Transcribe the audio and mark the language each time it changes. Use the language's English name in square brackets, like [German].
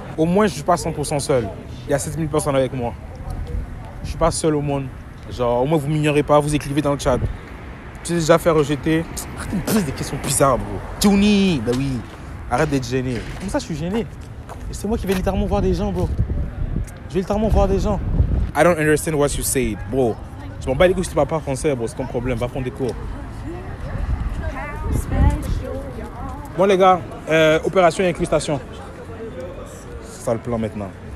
[French] Au moins, je suis pas 100% seul. Il y a 7000 personnes avec moi. Je suis pas seul au monde. Genre, au moins, vous m'ignorez pas, vous écrivez dans le chat. Tu t'es déjà fait rejeter. Arrête de me poser des questions bizarres, bro. Tony, ben oui. Arrête d'être gêné. Comme ça, je suis gêné. Et c'est moi qui vais littéralement voir des gens, bro. Je vais littéralement voir des gens. [English] I don't understand what you said, bro. [French] Je m'en bats les couilles si tu parles pas français, bro. C'est ton problème. Va prendre des cours. Bon, les gars, opération et incrustation. Ça le plan maintenant.